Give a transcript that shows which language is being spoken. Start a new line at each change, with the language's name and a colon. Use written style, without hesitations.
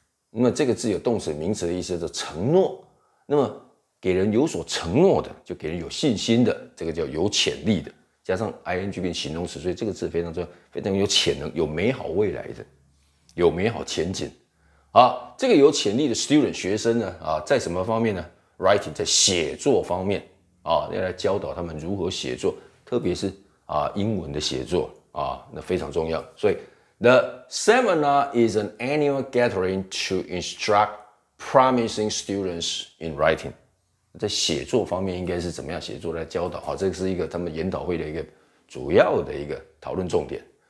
Chinese: 那么这个字有动词名词的意思，是承诺。那么给人有所承诺的，就给人有信心的，这个叫有潜力的，加上 ing 变形容词，所以这个字非常重要，非常有潜能，有美好未来的，有美好前景。啊，这个有潜力的 student 学生呢，啊，在什么方面呢 ？writing 在写作方面啊，要来教导他们如何写作，特别是啊英文的写作啊，那非常重要，所以。
English: The seminar is an annual gathering to instruct promising students in writing.
Chinese: 在写作方面应该是怎么样写作来教导，好，这是一个他们研讨会的一个主要的一个讨论重点。